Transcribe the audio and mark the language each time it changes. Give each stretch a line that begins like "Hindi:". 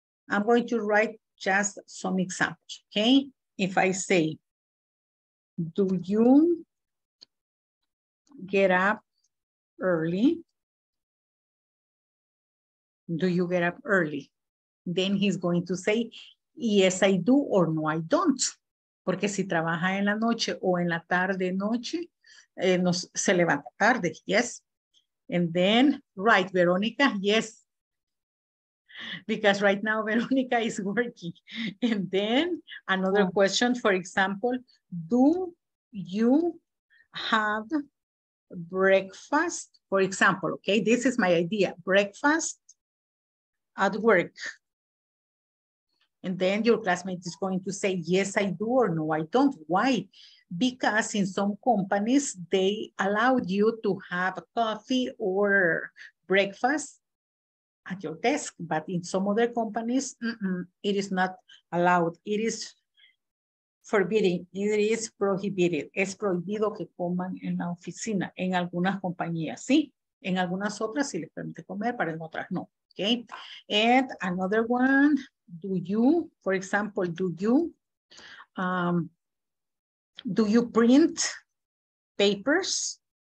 English: I'm going to write just some examples, okay? If I say, do you get up early? Do you get up early? Then he's going to say, yes, I do, or no, I don't.
Spanish: Porque si trabaja en la noche o en la tarde noche, se levanta tarde, yes.
English: And then, right, Veronica, yes. Because right now, Veronica is working. And then, another question, for example, do you have breakfast? For example, okay, this is my idea, breakfast at work. And then your classmate is going to say, yes, I do, or no, I don't. Why? Because in some companies, they allow you to have coffee or breakfast at your desk. But in some other companies, it is not allowed. It is forbidden. It is prohibited.
Spanish: Es prohibido que coman en la oficina, en algunas compañías, sí. En algunas otras sí les permite comer, pero en otras no.
English: Okay. And another one. Do you, for example, do you print papers?